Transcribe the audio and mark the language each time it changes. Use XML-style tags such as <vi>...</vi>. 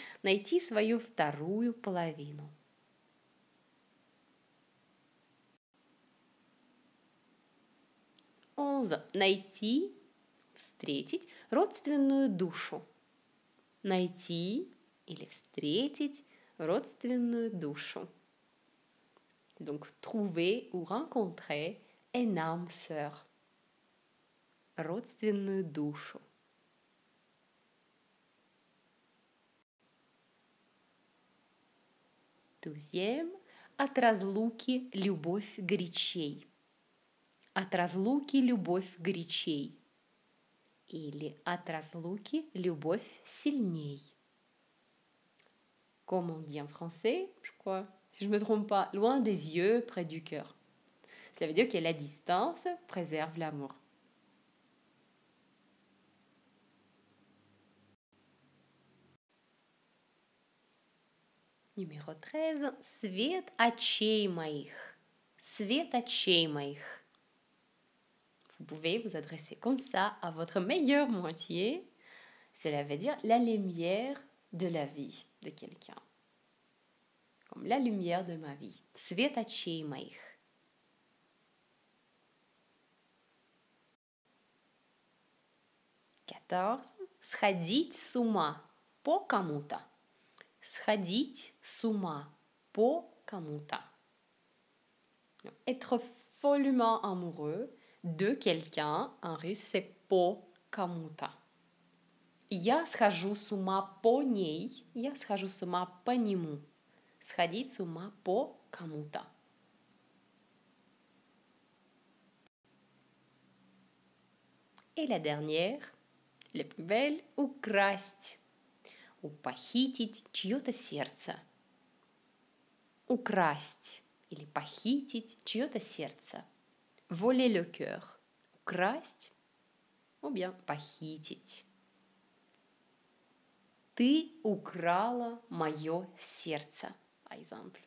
<ru>Найти свою вторую половину. Найти, встретить, родственную душу. Найти или встретить родственную душу.</ru> <fr>Donc, trouver ou rencontrer une âme sœur.</fr> <ru>Родственную душу.</ru> <fr>Deuxième,</fr> <ru>от разлуки любовь горячей. От разлуки любовь горячей. Или от разлуки любовь сильней.</ru> <fr>Comme on dit en français, je crois, si je ne me trompe pas, loin des yeux, près du cœur. Cela veut dire que la distance préserve l'amour. Numéro 13.</fr> <ru>Свет очей моих. Свет очей моих.</ru> <fr>Vous pouvez vous adresser comme ça à votre meilleure moitié. Cela veut dire la lumière de la vie de quelqu'un. Comme la lumière de ma vie.</fr> <ru>Свет очей моих.</ru> <fr>Quatorze.</fr> <ru>Сходить с ума по кому-то. Сходить с ума по кому-то.</ru> <fr>Être follement amoureux de quelqu'un, en russe, c'est</fr> <ru>«по кому-то». «Я схожу с ума по ней», «я схожу с ума по нему». «Сходить с ума по кому-то».</ru> <fr>Et la dernière, la plus belle, «украсть».</fr> <ru>«У похитить чье-то сердце». «Украсть» или «похитить чье-то сердце».</ru> <fr>Voler le cœur, красть, ou bien похитить.</fr> <ru>Ты украла мое сердце,</ru> <fr>par exemple.</fr>